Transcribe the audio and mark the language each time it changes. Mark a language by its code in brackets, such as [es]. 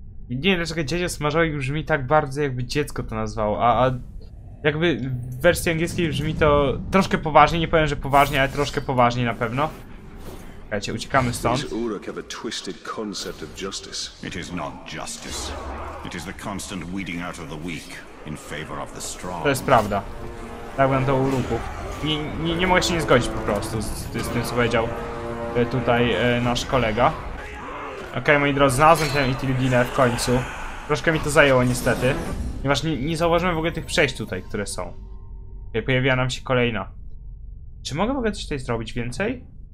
[pl] Nie wiem, dlaczego dziecko smażałek brzmi tak bardzo, jakby dziecko to nazwało, a jakby w wersji angielskiej brzmi to troszkę poważniej, nie powiem, że poważniej, ale troszkę poważniej na pewno. Słuchajcie, uciekamy stąd. [en] These Uruk have a twisted concept of justice. It is not justice. It is the constant weeding out of the weak in favor of the strong. [pl] To jest prawda. Tak wygląda to u Uruków. Nie mogę się nie zgodzić po prostu z tym, co powiedział tutaj nasz kolega. Okej, moi drodzy, znalazłem ten Itildine w końcu. Troszkę mi to zajęło niestety, ponieważ nie zauważyłem w ogóle tych przejść tutaj, które są. Okej, pojawiła nam się kolejna. Czy mogę w ogóle coś tutaj zrobić więcej?